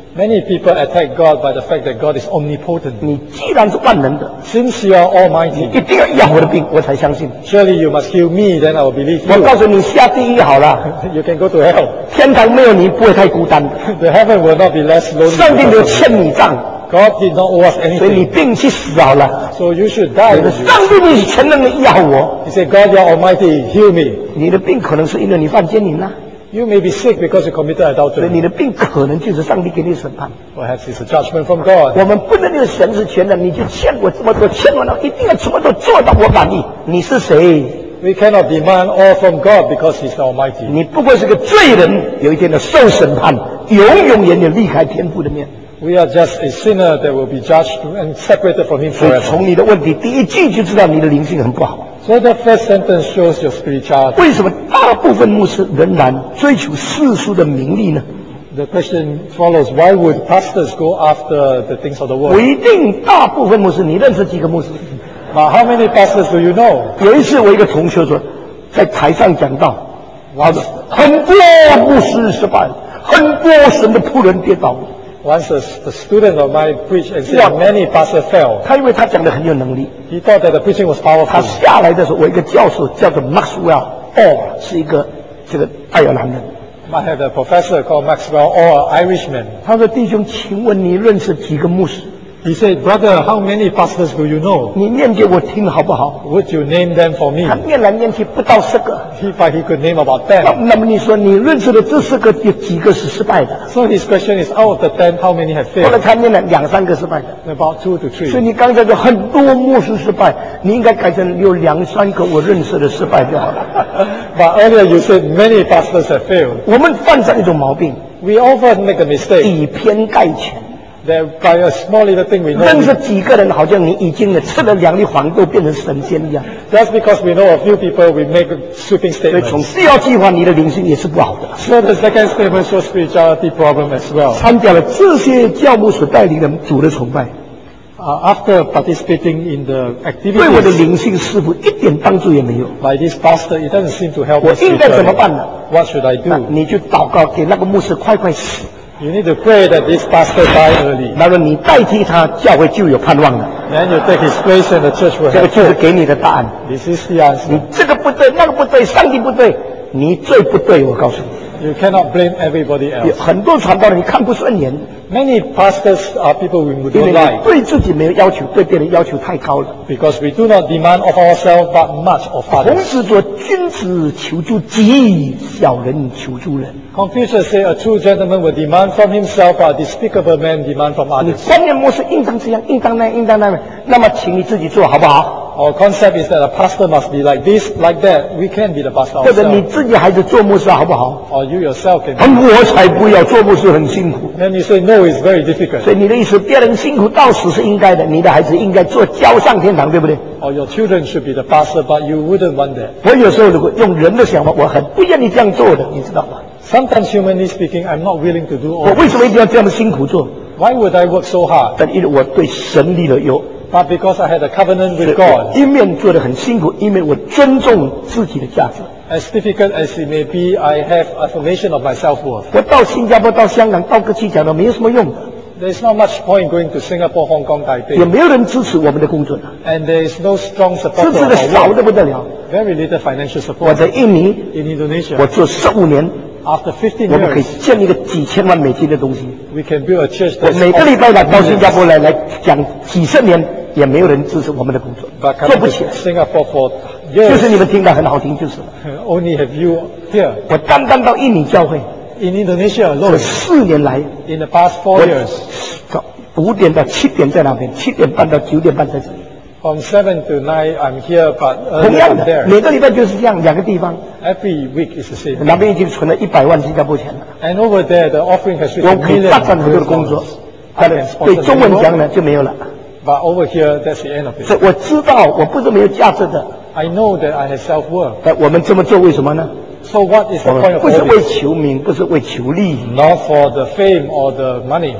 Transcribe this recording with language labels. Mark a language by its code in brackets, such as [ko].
[en] Many people attack God by the fact that God is omnipotent. [zh] 你既然是万能的， [en] since you are almighty, [zh] 你一定要养我的病，我才相信。 [en] Surely you must heal me, then I will believe you. [zh] 我告诉你，下地狱好了。 [en] You can go to hell. [zh] 天堂没有你，不会太孤单。 [en] The heaven will not be less lonely. [zh] 上帝没有欠你账。 [en] God did not owe us anything. [zh] 所以你病去死好了。 [en] So you should die. [zh] 上帝，你全能的医好我。 [en] He said, God, you are almighty, heal me. [zh] 你的病可能是因为你犯奸淫了。 [en] You may be sick because you committed adultery. [zh] 所以你的病可能就是上帝给你审判。 [en] Perhaps it's a judgment from God. [zh] 我们不能用神是全能，你就欠我这么多，欠我那一定要什么都做到我满意。你是谁？ [en] We cannot demand all from God because He's Almighty. [zh] 你不过是个罪人，有一天要受审判，永永远远离开天父的面。 [en] We are just a sinner that will be judged and separated from Him forever. [zh] 所以从你的问题第一句就知道你的灵性很不好。 [en] So the first sentence shows your spirituality. [zh] 为什么大部分牧师仍然追求世俗的名利呢？ [en] The question follows, why would pastors go after the things of the world? [zh] 不一定大部分牧师，你认识几个牧师？ [en] But how many pastors do you know? [zh] 有一次我一个同学说，在台上讲道，很多牧师失败，很多神的仆人跌倒。 [en] Once a student of mine preached and said many pastors fell. [zh] 他以为他讲得很有能力。 [en] He thought that the preaching was powerful. [zh] 他下来的时候，我一个教授叫做 Maxwell Orr， 是一个这个爱尔兰人。 [en] I had a professor called Maxwell Orr, Irishman. [zh] 他说：“弟兄，请问你认识几个牧师？” [en] He said, "Brother, how many pastors do you know?" [zh] 你念给我听好不好？ [en] Would you name them for me? [zh] 他念来念去不到十个。 [en] He thought he could name about ten. [zh] 那么你说你认识的这十个有几个是失败的？ [en] So his question is, out of the ten, how many have failed? [zh] 后来他念了两三个失败的。 [en] About two to three. [zh] 所以你刚才说很多牧师失败，你应该改成有两三个我认识的失败就好了。 [en] But earlier you said many pastors have failed. [zh] 我们犯上一种毛病。 [en] We often make a mistake. [zh] 以偏概全。 [en] That by a small little thing we know, [zh] 认识几个人好像你已经吃了两粒黄豆变成神仙一样。 [en] That's because we know a few people, we make sweeping statements. [zh] 所以从第二计划，你的灵性也是不好的。 [en] So the second statement shows spirituality problem as well. [zh] 参加了这些教牧所带领的主的崇拜。 [en] After participating in the activities, [zh] 对我的灵性似乎一点帮助也没有。 [en] By this pastor, it doesn't seem to help. [zh] 我应该怎么办呢？ [en] What should I do? [zh] 你就祷告给那个牧师快快死。 [en] You need to pray that this pastor die early. [zh] 那么你代替他，教会就有盼望了。 [en] Then you take his place and the church will. [zh] 这个就是给你的答案。 [en] This is the answer. [zh] 你这个不对，那个不对，上帝不对，你最不对，我告诉你。 [en] You cannot blame everybody else. [zh] 有很多传道人看不顺眼。 [en] Many pastors are people we don't like. [zh] 因为你对自己没有要求，对别人要求太高了。 [en] Because we do not demand of ourselves but much of others. [zh] 孔子说：“君子求诸己，小人求诸人。” [en] Confucius said, "A true gentleman will demand from himself, but a despicable man demand from others." [zh] 你观念模式应当这样，应当那样，应当那样，那么请你自己做好不好？ [en] Our concept is that a pastor must be like this, like that. We can be the pastor ourselves. [zh] 或者你自己还是做牧师好不好？ [en] Or you yourself can. [zh] 很我才不要做牧师，很辛苦。 [en] Then you say no, it's very difficult. [zh] 所以你的意思，别人辛苦到死是应该的，你的孩子应该做教上天堂，对不对？ [en] Or your children should be the pastor, but you wouldn't want that. [zh] 我有时候如果用人的想法，我很不愿意这样做的，你知道吗？ [en] Sometimes humanly speaking, I'm not willing to do all. [zh] 我为什么一定要这样辛苦做？ [en] Why would I work so hard? [zh] 但因为我对神立了有 [en] But because I had a covenant with God. [zh] 一面做得很辛苦，一面我尊重自己的价值。 [en] As difficult as it may be, I have affirmation of my self-worth. [zh] 我到新加坡，到香港，到各去讲的没有什么用。 [en] There's not much point going to Singapore, Hong Kong, Taipei. [zh] 也没有人支持我们的工作。 [en] And there is no strong support. [zh] 支持的少得不得了。 [en] Very little financial support. [zh] 我在印尼, [en] in Indonesia, [zh] 我做15年。 [en] After 15 years, [zh] 我们可以建立一个几千万美金的东西。 [en] We can build a church. [zh] 我每个礼拜来到新加坡来讲几十年。也没有人支持我们的工作做不起 [en] Singapore for years, [zh] 就是你们听得很好听就是了 [en] Only have you here [zh] 我单单到印尼教会 [en] In Indonesia alone [zh] 这四年来 [en] In the past 4 years [zh] 5点到7点在那边 7点半到9点半在这里 [en] From 7 to 9 I'm here but earlier [zh] 同样的, 每个礼拜就是这样 两个地方 [en] Every week is the same [zh] 那边已经存了100万新加坡钱了 [en] And over there the offering has reached [zh] 我可以发展很多的工作 对中文讲呢就没有了 [en] But over here, that's the end of it. [zh] 所以我知道我不是没有价值的。 [en] I know that I have self-worth. [zh] 但我们这么做为什么呢？ [en] So what is the point of all this? [zh] 不是为求名，不是为求利益。 [en] Not for the fame or the money.